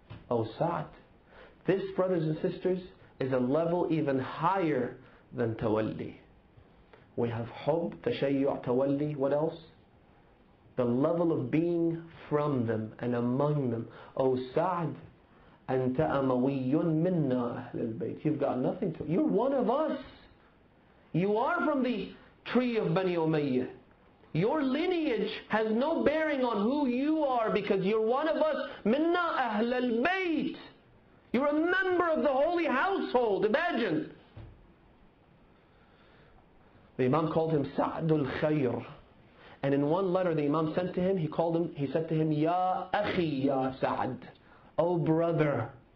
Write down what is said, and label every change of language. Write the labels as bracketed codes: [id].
[en] Oh Sa'd, this, brothers and sisters, is a level even higher than tawalli. We have hub, tashayyu', tawalli, what else? The level of being from them and among them. [ar] Oh Sa'd, أَنْتَ أَمَوِيٌّ مِنَّا أَهْلَ الْبَيْتِ. [en] You've got nothing to... You're one of us. You are from the tree of Bani Umayyah. Your lineage has no bearing on who you are because you're one of us. [ar] Minna أهل البيت. [en] You're a member of the holy household. Imagine. The Imam called him Sa'd al-Khayr. And in one letter the Imam sent to him, he said to him, "Ya Akhi Ya Sa'd." Oh brother.